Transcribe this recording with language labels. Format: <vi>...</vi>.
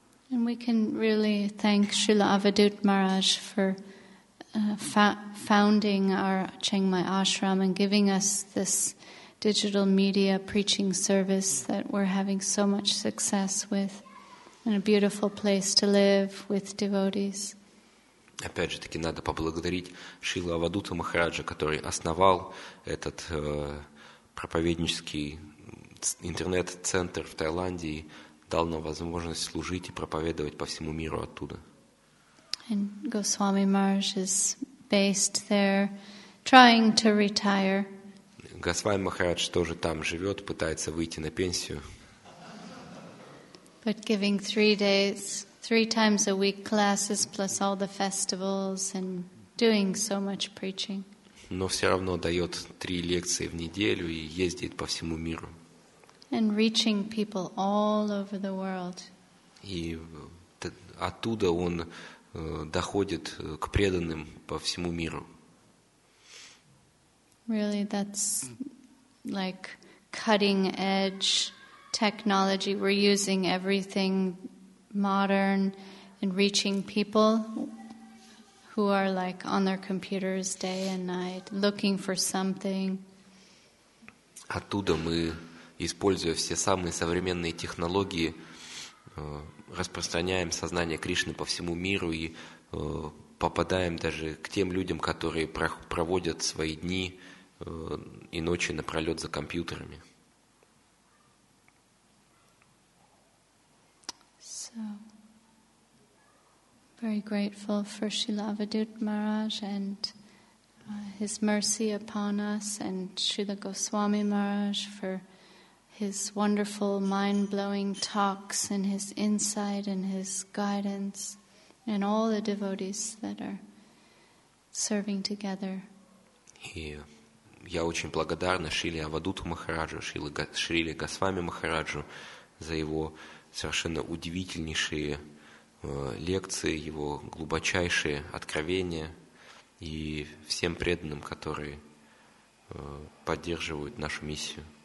<en>And we can really thank Srila Avadhut Maharaj for founding our Chiang Mai ashram and giving us this digital media preaching service that we're having so much success with, and a beautiful place to live with devotees.</en> <ru>Опять же таки, надо поблагодарить Шрилу Авадута Махараджа, который основал этот проповеднический интернет-центр в Таиланде и дал нам возможность служить и проповедовать по всему миру оттуда.</ru> <en>And Goswami Maharaj is based there, trying to retire.</en> <ru>Госвами Махарадж тоже там живет, пытается выйти на пенсию.</ru> <en>But giving 3 days, 3 times a week classes plus all the festivals and doing so much preaching.</en> <ru>Но все равно дает 3 лекции в неделю и ездит по всему миру.</ru> <en>And reaching people all over the world.</en> <ru>И оттуда он доходит к преданным по всему миру.</ru> <en>Really, that's like cutting-edge technology. We're using everything modern and reaching people who are like on their computers day and night, looking for something.</en> <ru>Оттуда мы, используя все самые современные технологии, распространяем сознание Кришны по всему миру и попадаем даже к тем людям, которые проводят свои дни и ночи напролет за компьютерами.</ru> <en>So, very grateful for Srila Avadhut Maharaj and his mercy upon us, and Srila Goswami Maharaj for his wonderful mind-blowing talks and his insight and his guidance, and all the devotees that are serving together. Yeah.</en> <ru>Я очень благодарна Шриле Авадуту Махараджу, Шриле Госвами Махараджу за его совершенно удивительнейшие лекции, его глубочайшие откровения, и всем преданным, которые поддерживают нашу миссию.</ru>